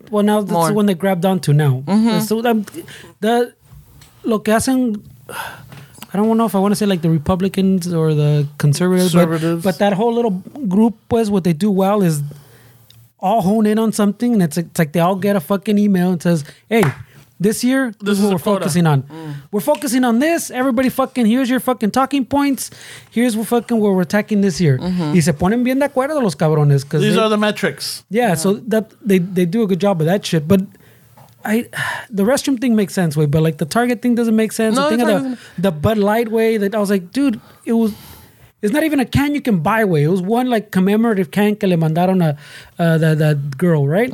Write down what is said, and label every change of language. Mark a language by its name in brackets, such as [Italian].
[English] Well, now that's more. The one they grabbed onto now. Mm-hmm. So [Spanish] lo que hacen, [English] I don't know if I want to say like the Republicans or the conservatives, but that whole little group, pues, what they do well is all hone in on something, and it's like they all get a fucking email and says, hey, this year, this is what we're focusing on. Mm. We're focusing on this. Everybody fucking, here's your fucking talking points. Here's what fucking where we're attacking this year. [Spanish] Mm-hmm. Y se ponen bien de acuerdo los cabrones. [English] These are the metrics. Yeah, so that they do a good job of that shit. But the restroom thing makes sense, way, but like the Target thing doesn't make sense. No, the thing of the Bud Light way, that I was like, dude, it's not even a can you can buy way. It was one like commemorative can [Spanish] que le mandaron a [English] that girl, right?